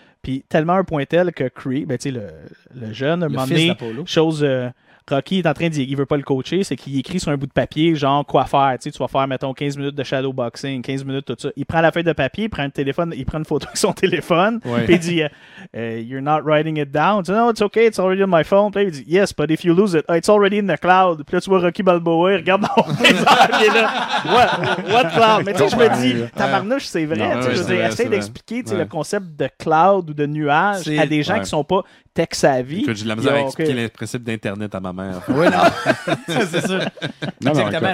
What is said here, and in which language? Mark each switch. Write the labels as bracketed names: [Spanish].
[French] Puis tellement un point tel que Creed, ben, tu sais, le jeune, le un moment donné, fils d'Apollo. Chose. Rocky est en train de dire, il veut pas le coacher, c'est qu'il écrit sur un bout de papier, genre, quoi faire, tu sais, tu vas faire, mettons, 15 minutes de shadow boxing, 15 minutes, tout ça. Il prend la feuille de papier, il prend le téléphone, il prend une photo avec son téléphone, puis il dit, [English] you're not writing it down. [French] Tu dis, [English] no, it's okay, it's already on my phone. [French] Puis il dit, [English] yes, but if you lose it, it's already in the cloud. [French] Puis là, tu vois Rocky Balboa, il regarde dans le là, [English] what cloud? [French] Mais tu sais, je me dis, tabarnouche, c'est vrai. Tu sais, essaye d'expliquer, tu sais, le concept de cloud ou de nuage à des gens qui sont pas tech savvy. Écoute, j'ai de la misère à expliquer le principe d'Internet à ma mère. Oui, non. C'est sûr. Exactement.